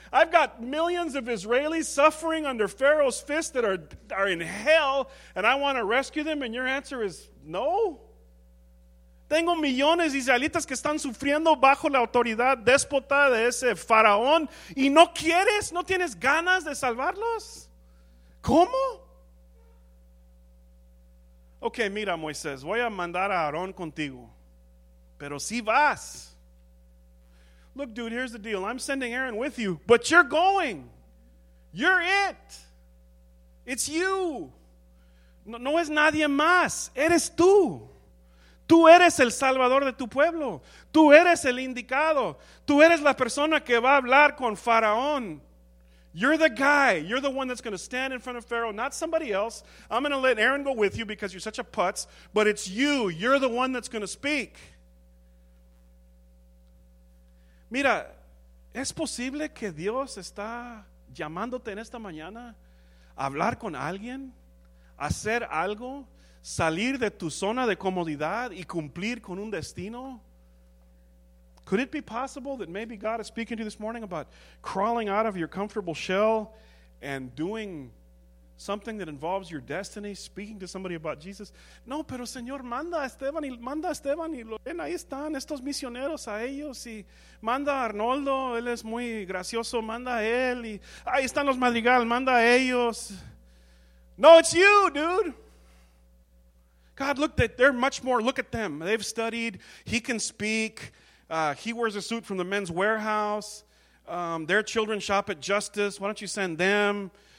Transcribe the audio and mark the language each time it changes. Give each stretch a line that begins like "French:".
English: I've got millions of Israelis suffering under Pharaoh's fist that are in hell, and I want to rescue them, and your answer is no?
Spanish: Tengo millones de israelitas que están sufriendo bajo la autoridad déspota de ese faraón, y no quieres, no tienes ganas de salvarlos. ¿Cómo? Ok, mira, Moisés, voy a mandar a Aarón contigo. Pero si vas.
English: Look, dude, here's the deal. I'm sending Aaron with you, but you're going. You're it. It's you.
Spanish: No, no es nadie más. Eres tú. Tú eres el salvador de tu pueblo. Tú eres el indicado. Tú eres la persona que va a hablar con Faraón.
English: You're the guy. You're the one that's going to stand in front of Pharaoh, not somebody else. I'm going to let Aaron go with you because you're such a putz, but it's you. You're the one that's going to speak.
Spanish: Mira, ¿es posible que Dios está llamándote en esta mañana a hablar con alguien, hacer algo, salir de tu zona de comodidad y cumplir con un destino?
English: Could it be possible that maybe God is speaking to you this morning about crawling out of your comfortable shell and doing something that involves your destiny, speaking to somebody about Jesus?
Spanish: No, pero Señor, manda a Esteban y Lorena, ahí están estos misioneros a ellos, y manda a Arnoldo, él es muy gracioso, manda a él, y ahí están los Madrigal, manda a ellos.
English: No, it's you, dude. God, look, they're much more, look at them, they've studied, he can speak, he wears a suit from the men's warehouse, their children shop at Justice, why don't you send them?